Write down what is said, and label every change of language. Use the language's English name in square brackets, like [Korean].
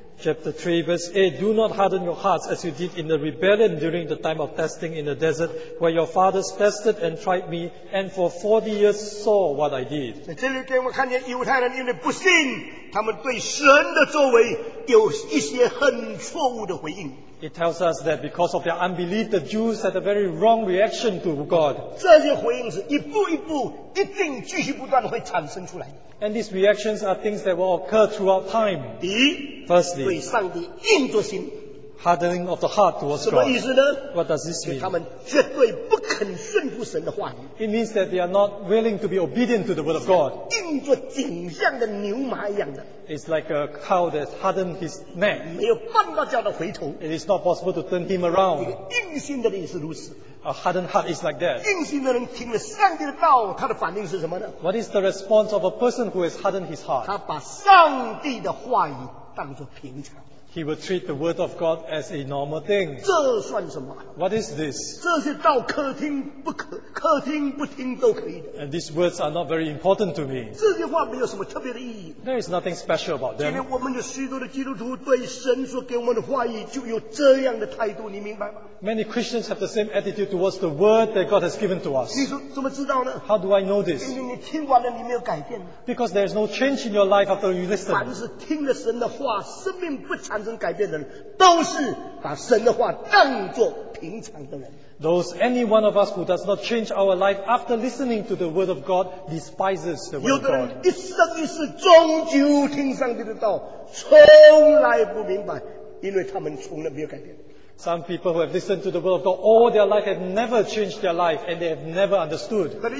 [English] Chapter 3 verse 8 Do not harden your hearts as you did in the rebellion during the time of testing in the desert where your fathers tested and tried me and for 40 years saw what I did [Chinese] 这里给我们看见犹太人因为不信他们对神的作为有一些很错误的回应 [English] It tells us that because of their unbelief, the Jews had a very wrong reaction to God. And these reactions are things that will occur throughout time. [Chinese] 第一, [English] Firstly, [Chinese] 对上帝硬着心, [English] hardening of the heart towards [Chinese] 什么意思呢? [English] God. What does this mean? [Chinese] 他们绝对不肯顺服神的话语, [English] it means that they are not willing to be obedient to the word of God. [Chinese] 硬着颈项的牛马一样的, [English] It's like a cow that hardened his neck. [Chinese] 没有办法叫他回头, [English] it is not possible to turn him around. [Chinese] 硬心的也是如此, [English] a hardened heart is like that. [Chinese] 硬心的人听了上帝的道, 他的反应是什么呢? [English] What is the response of a person who has hardened his heart? [Chinese] 他把上帝的话语当作平常。 [English] He will treat the word of God as a normal thing. [Chinese] 这算什么? [English] What is this? [Chinese] 这些道可听不可,客听不听都可以的。 [English] And these words are not very important to me. [Chinese] 这些话没有什么特别的意义。 [English] There is nothing special about them. [Chinese] 今天我们有许多的基督徒对神所给我们的话语就有这样的态度,你明白吗? [English] Many Christians have the same attitude towards the word that God has given to us. [Chinese] 你说怎么知道呢? [English] How do I know this? [Chinese] 因为你听完了,你没有改变。 [English] Because there is no change in your life after you listen. [Chinese] 凡是听了神的话,生命不产生改变的人, 都是把神的话当作 [English] Those any one of us who does not change our life after listening to the word of God despises the word of God. [Chinese] 一生一世终究听上帝的道，从来不明白，因为他们从来没有改变。 [English] Some people who have listened to the word of God all their life have never changed their life and they have never understood.